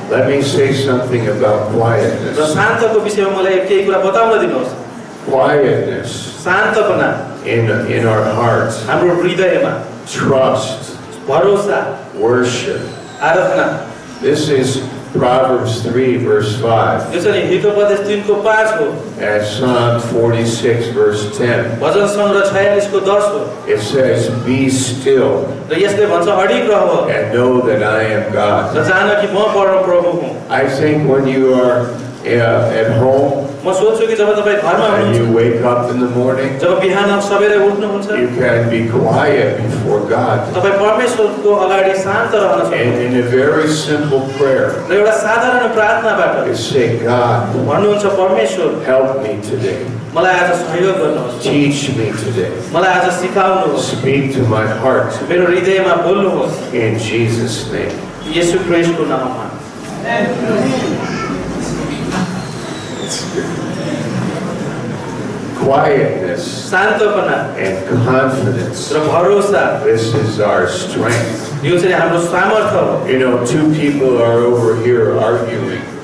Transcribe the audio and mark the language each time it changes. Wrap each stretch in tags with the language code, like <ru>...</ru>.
<en>Let me say something about quietness.</en> <ne>र शान्तको विषयमा मलाई केही कुरा बताउन दिनुहोस्.</ne> <en>Quietness.</en> <ne>शान्तपना.</ne> <en>In our hearts.</en> <ne>हाम्रो हृदयमा.</ne> <en>Trust.</en> <ne>भरोसा.</ne> <en>Worship.</en> <ne>Aradhana.</ne> <en>This is Proverbs 3 verse 5.</en> <ne>यो चाहिँ हितोपदेश 3 को 5 हो.</ne> <en>And Psalm 46 verse 10.</en> <ne>भजन संग्रह 46 को 10 हो.</ne> <en>It says be still.</en> <ne>र यसले भन्छ अडिग रह.</ne> <en>And know that I am God.</en> <ne>र जान कि म परमप्रभु हुँ.</ne> <en>I think when you are at home.</en> <ne>म सोच्छु कि जब तपाईँ घरमा हुनुहुन्छ.</ne> <en>You wake up in the morning.</en> <ne>जब बिहान सबेरै उठ्नुहुन्छ.</ne> <en>You can be quiet before God.</en> <ne>तपाईँ परमेश्वरको अगाडि शान्त रहन सक्नुहुन्छ.</ne> <en>In a very simple prayer.</en> <ne>एउटा साधारण प्रार्थनाबाट.</ne> <en>Say God.</en> <ne>भन्नुहुन्छ परमेश्वर.</ne> <en>Help me today.</en> <ne>मलाई आज सहयोग गर्नुहोस्.</ne> <en>Teach me today.</en> <ne>मलाई आज सिकाउनुहोस्.</ne> <en>Speak to my heart.</en> <ne>मेरो हृदयमा बोल्नुहोस्.</ne> <en>In Jesus' name.</en> <ne>येशू ख्रीष्टको नाममा. Amen.</ne> <en>Quietness and confidence. This is our strength. You know, two people are over here arguing.</en>